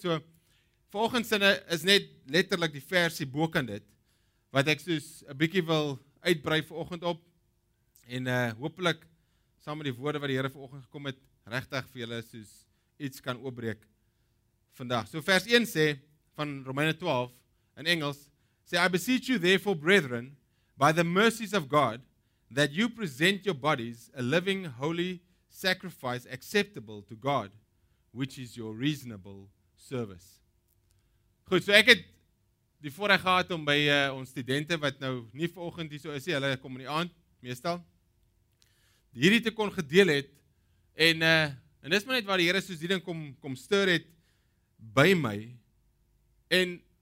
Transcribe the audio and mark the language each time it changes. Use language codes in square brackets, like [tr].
[af] So volgens sinne is net letterlik die versie bokant dit wat ek soos 'n bietjie wil uitbrei vanoggend op en hopelik saam met die woorde wat die Here vanoggend gekom het regtig vir julle soos iets kan oopbreek vandag. So vers 1 sê van Romeine 12 in Engels [en] say, I beseech you therefore, brethren, by the mercies of God, that you present your bodies a living, holy sacrifice acceptable to God, which is your reasonable service. [af] Goed, so ek het die voorreg gehad om by ons studente, wat nou nie vanoggend hier so is, hulle kom in die aand, meestal, hierdie te kon gedeel het, en dis maar net waar die Here soos die ding kom stuur het by my, en